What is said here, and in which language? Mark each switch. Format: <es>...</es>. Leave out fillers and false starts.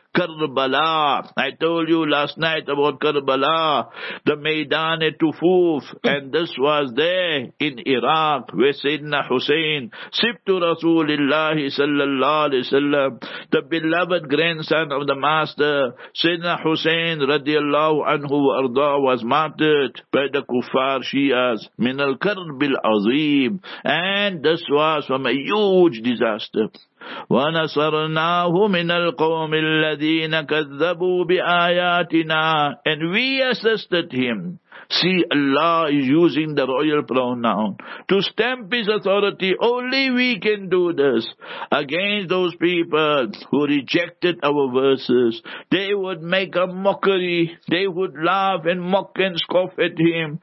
<en>Karbala. I told you last night about Karbala, the Maidan et Tufuf, and this was there in Iraq, where Sayyidina Hussein, Sibtu Rasulullah sallallahu alayhi wa sallam, the beloved grandson of the master, Sayyidina Hussein radiallahu anhu arda, was martyred by the Kuffar Shias, min al Karbil Azim, and this was from a huge disaster.</en> <ar>وَنَصَرْنَاهُ مِنَ الْقَوْمِ الَّذِينَ كَذَّبُوا بِآيَاتِنَا</ar> <en>And we assisted him. See, Allah is using the royal pronoun to stamp his authority. Only we can do this against those people who rejected our verses. They would make a mockery. They would laugh and mock and scoff at him.</en>